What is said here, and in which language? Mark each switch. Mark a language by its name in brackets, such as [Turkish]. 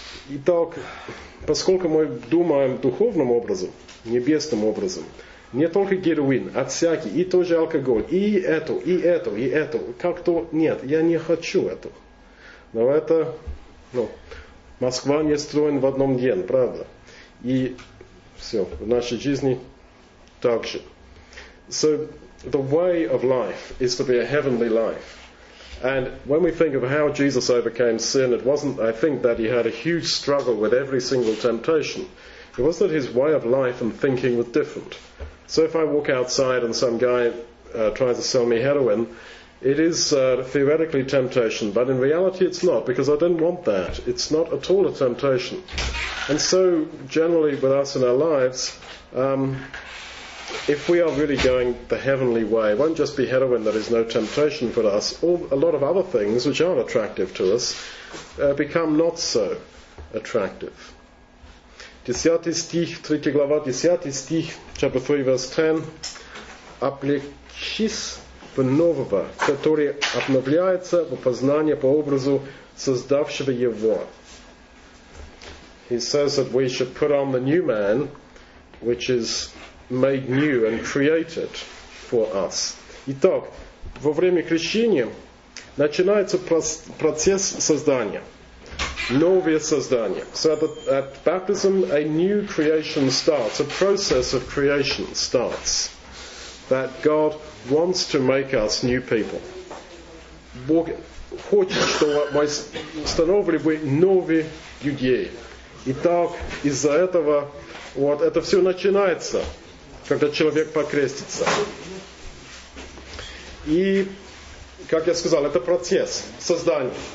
[Russian] Итак, поскольку мы думаем духовным образом, небесным образом, не только героин, а всякий, и тоже алкоголь, и это, как-то нет, я не хочу этого. Но это, ну, Москва не строена в одном день, правда? И все, в нашей жизни так же. [English] So, the way of life is to be a heavenly life. And when we think of how Jesus overcame sin, it wasn't, I think, that he had a huge struggle with every single temptation. It was that his way of life and thinking was different. So if I walk outside and some guy tries to sell me heroin, it is theoretically temptation, but in reality it's not, because I didn't want that. It's not at all a temptation. And so generally with us in our lives, if we are really going the heavenly way, it won't just be heroin that is no temptation for us. A lot of other things which aren't attractive to us become not so attractive. [Russian] 10 стих, 3 глава, 10 стих, [English] chapter 3, verse 10. [Russian] «Облечись в нового, который обновляется в познание по образу создавшего его». [English] He says that we should put on the new man, which is made new and created for us. [Russian] Итак, во время крещения начинается процесс создания. Новое создание. [English] So at baptism, a new creation starts, a process of creation starts. That God wants to make us new people. [Russian] Бог хочет, чтобы мы становились бы новые люди. Итак, из-за этого вот это все начинается, когда человек покрестится. И, как я сказал, это процесс создания.